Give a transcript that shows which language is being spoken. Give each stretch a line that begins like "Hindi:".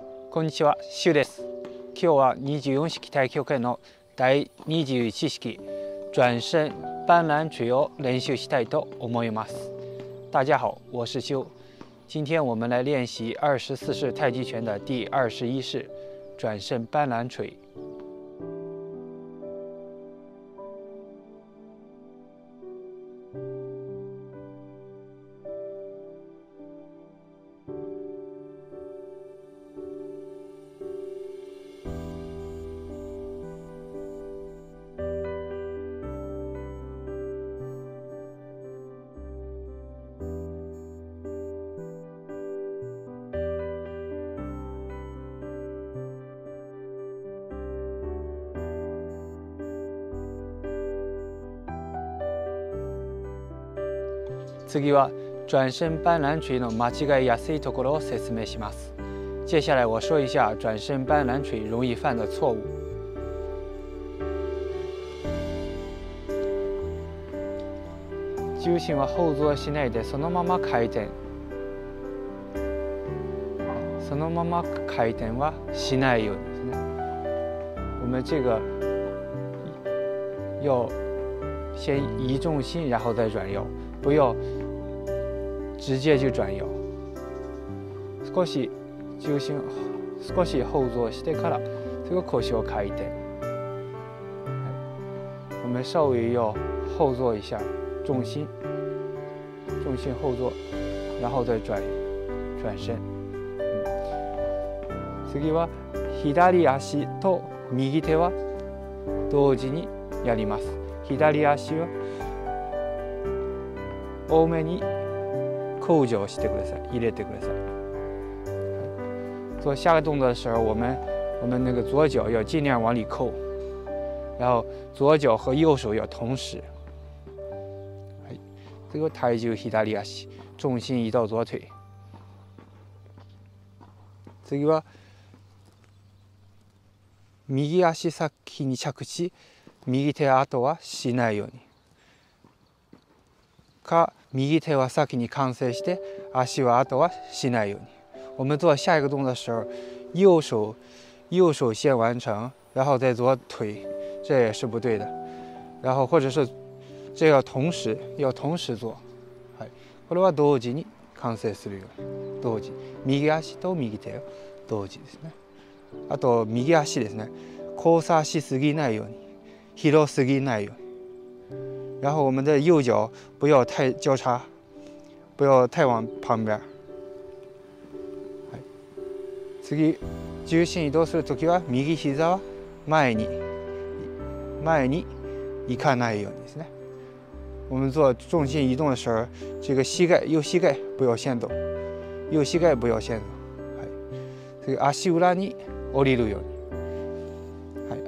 Japanese: こんにちは、シュウです。今日は24式太極拳の第21式转身斑斓锤を練習したいと思います。
Chinese: 大家好，我是修。今天我们来练习24式太极拳的第21式转身斑斓锤。
Japanese: 次は转身斑斓锤の間違いやすいところを説明します。
Chinese: 接下来我说一下转身斑斓锤容易犯的错误。
Japanese: 重心は後座しないでそのまま回転、そのまま回転はしないようにですね。
Chinese: 我们这个要先移重心然后再转右，不要直接就转右。
Japanese: 少し重心少し後座してから、
Chinese: 这个
Japanese: 腰を回転。
Chinese: 我们稍微要后座一下，重心，重心后座，然后再转转身。
Japanese: 次は左足と右手は同時にやります。左足は多めに。控制してください，入れてください。
Chinese: 做下个动作的时候，我们那个左脚要尽量往里扣，然后左脚和右手要同时。这个体重左足，重心移到左腿。
Japanese: 次は右足先に着地、右手あとはしないように。か右手は先に完成して、足は後はしないように。
Chinese: 我们做下一个动作的时候，右手先完成，然后再做腿，这也是不对的。然后或者是这要同时，要同时做。
Japanese: はい。これは同時に完成するように。同時。右足と右手を同時ですね。あと右足ですね。交差しすぎないように、広すぎないように。
Chinese: 然后我们的右脚不要太交叉，不要太往旁边。
Japanese: 次、重心移動するときは右膝は前に行かないようにですね。
Chinese: 我们做重心移动的时候，这个右膝盖不要先动，右膝盖不要先动。
Japanese: 次、足裏に降りるように。